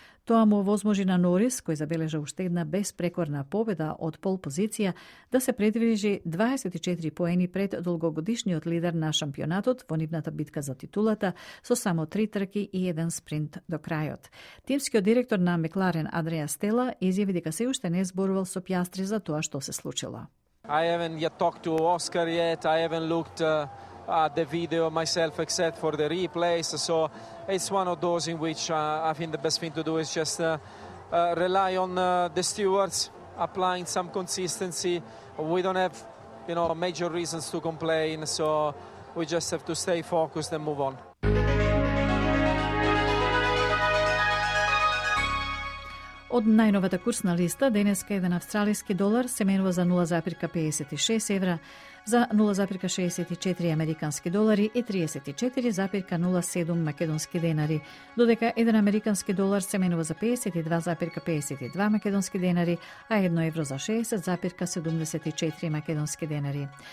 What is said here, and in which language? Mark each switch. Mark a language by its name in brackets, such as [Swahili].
[Macedonian] Тоа му овозможи на Норис, кој забележа уште една беспрекорна победа од пол позиција, да се предвижи 24 поени пред долгогодишниот лидер на шампионатот во нивната битка за титулата со само три трки и еден спринт до крајот. Тимскиот директор на Мекларен, Адриа Стела, изјави дека се уште не зборувал со Пјастри за тоа што се случило. [English] I haven't yet talked to Oscar yet. I haven't looked at the video myself except for the replays. So it's one of those in which I think the best thing to do is just rely on the stewards applying some consistency. We don't have, you know, major reasons to complain. So we just have to stay focused and move on. [Macedonian] Од најновата курсна листа, денеска еден австралијски долар се менува за 0,56 евра, за 0,64 американски долари и 34,07 македонски денари, додека еден американски долар се менува за 52,52 македонски денари, а 1 евро за 60,74 македонски денари.